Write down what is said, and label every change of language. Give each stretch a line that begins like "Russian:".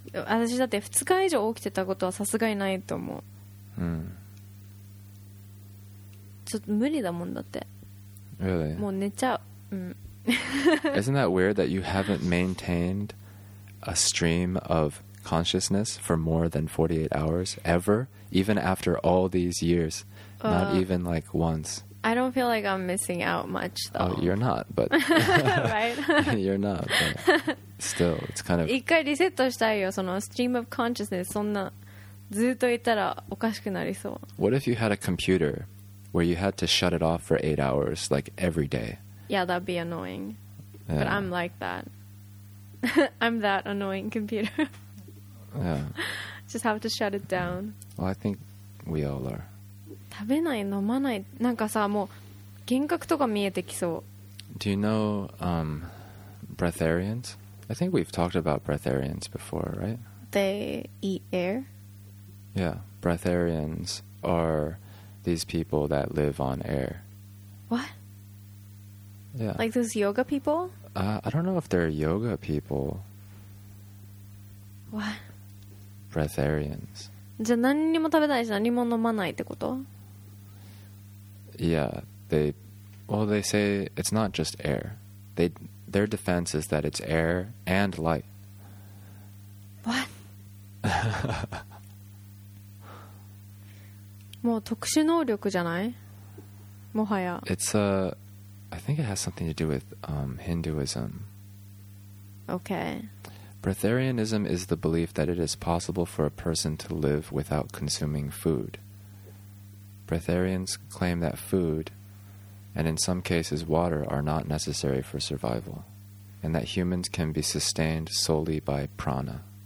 Japanese: 私だって2日以上起きてたことはさすがにないと思う。うん。ちょっと無理だもんだって。
English: Really?
Japanese: もう寝ちゃう。うん。
English: Isn't that weird that you haven't maintained a stream of consciousness for more than 48 hours ever, even after all these years? Not even like once. I don't feel like I'm missing out much though. Oh, you're not, but right? You're not, but still, it's kind of
Japanese: 一回リセットしたいよ、その
English: stream of consciousness。
Japanese: そんなずっといたらおかしくなりそう。
English: What if you had a computer where you had to shut it off for 8 hours, like every day? Yeah, that'd be annoying. But I'm like that. I'm that annoying computer. Yeah. Just have to shut it down. Well, I think we all are.
Japanese: 食べない、飲まない、なんかさ、もう幻覚とか見えてきそう。
English: Do you know breatharians? I think we've talked about breatharians before, right? They eat air? Yeah, breatharians are these people that live on air. What? Yeah. Like those yoga people? I don't know if they're yoga people. What? Breatharians.
Japanese: じゃあ何も食べないし何も飲まないってこと?
English: Yeah, they... Well, they say it's not just air. Their defense is that it's air and light. What?
Japanese: もう特殊能力じゃない? もはや。
English: It's a... I think it has something to do with Hinduism. Okay. Breatharianism is the belief that it is possible for a person to live without consuming food. Breatharians claim that food, and in some cases water, are not necessary for survival, and that humans can be sustained solely by prana.